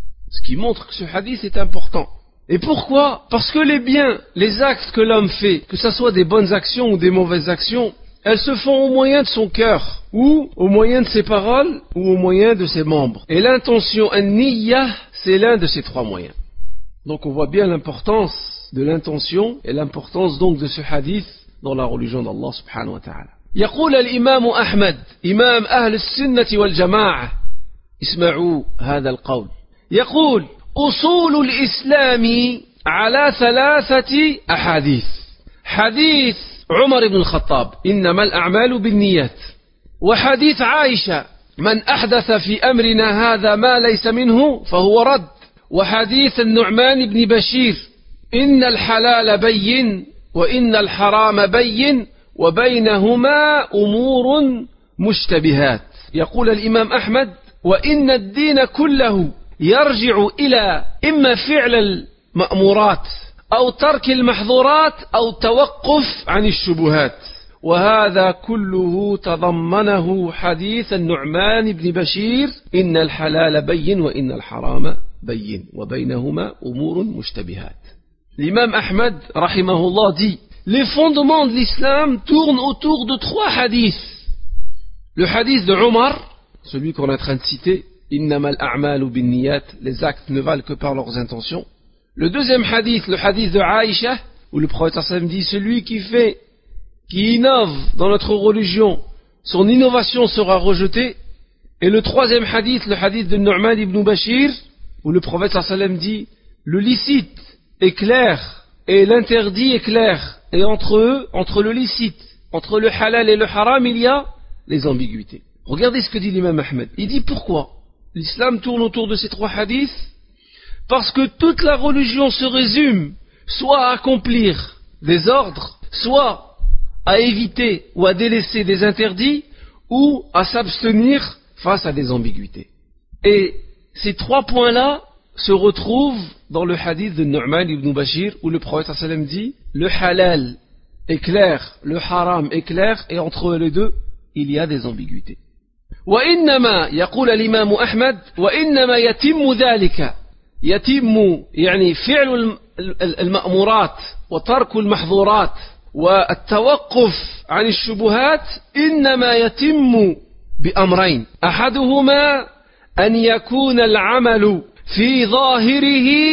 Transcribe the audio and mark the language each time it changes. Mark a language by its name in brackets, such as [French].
[French] Ce qui montre que ce hadith est important. Et pourquoi? Parce que les biens, les actes que l'homme fait, que ce soit des bonnes actions ou des mauvaises actions, elles se font au moyen de son cœur, ou au moyen de ses paroles, ou au moyen de ses membres. Et l'intention, an-niyya, c'est l'un de ces trois moyens. Donc on voit bien l'importance de l'intention, et l'importance donc de ce hadith dans la religion d'Allah subhanahu wa ta'ala. [Arabic] يقول الإمام أحمد إمام أهل السنة والجماعة اسمعوا هذا القول. يقول أصول الإسلام على ثلاثة أحاديث: حديث عمر بن الخطاب إنما الأعمال بالنيات، وحديث عائشة من أحدث في أمرنا هذا ما ليس منه فهو رد، وحديث النعمان بن بشير إن الحلال بين وإن الحرام بين وبينهما أمور مشتبهات. يقول الإمام أحمد وإن الدين كله يرجع إلى إما فعل المأمورات أو ترك المحظورات أو توقف عن الشبهات، وهذا كله تضمنه حديث النعمان بن بشير إن الحلال بين وإن الحرام بين وبينهما أمور مشتبهات. الإمام أحمد رحمه الله دي [French] les fondements de l'islam tournent autour de trois hadiths. Le hadith de Omar, celui qu'on est en train de citer, [Arabic] إِنَّمَا الْأَعْمَالُ بِالنِّيَاتِ، [French] les actes ne valent que par leurs intentions. Le deuxième hadith, le hadith de Aïcha, où le prophète sallam dit celui qui fait, qui innove dans notre religion, son innovation sera rejetée. Et le troisième hadith, le hadith de Nu'man ibn Bashir, où le prophète sallam dit le licite est clair et l'interdit est clair, et entre eux, entre le licite, entre le halal et le haram, il y a les ambiguïtés. Regardez ce que dit l'imam Ahmed. Il dit pourquoi l'islam tourne autour de ces trois hadiths? Parce que toute la religion se résume soit à accomplir des ordres, soit à éviter ou à délaisser des interdits ou à s'abstenir face à des ambiguïtés. Et ces trois points-là se retrouvent dans le hadith de Nu'man ibn Bashir où le prophète sallallahu alayhi wa sallam dit « Le halal est clair, le haram est clair et entre les deux, il y a des ambiguïtés. » [Arabic] وإنما يقول الإمام أحمد وإنما يتم ذلك يتم يعني فعل المأمورات وترك المحظورات والتوقف عن الشبهات إنما يتم بأمرين أحدهما أن يكون العمل في ظاهره